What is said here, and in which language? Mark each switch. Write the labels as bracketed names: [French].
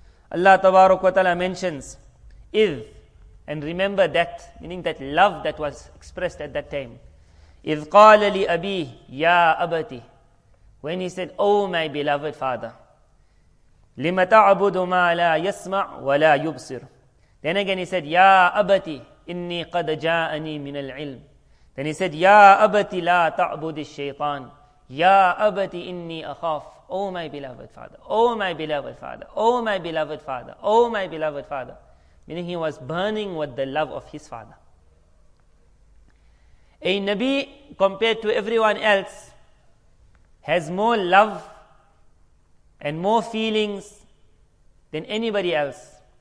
[English] Allah tabarak wa ta'ala mentions, إِذْ. And remember that, meaning that love that was expressed at that time. [Arabic] إِذْ قَالَ لِأَبِيهِ يَا أَبَتِي. [English] When he said, Oh my beloved father, [Arabic] لِمَ تَعْبُدُ مَا لَا يَسْمَعُ وَلَا يُبْصِرُ. [English] Then again he said, [Arabic] يَا أَبَتِي إِنِّي قَدْ جَاءَنِي مِنَ الْعِلْمِ. [English] Then he said, [Arabic] يَا أَبَتِي لَا تَعْبُدِ الشَّيْطَانِ. يَا أَبَتِي إِنِّي أَخَافُ. [English] Oh my beloved father, Oh my beloved father, Oh my beloved father, Oh my beloved father. Meaning he was burning with the love of his father. A Nabi, compared to everyone else, has more love and more feelings than anybody else.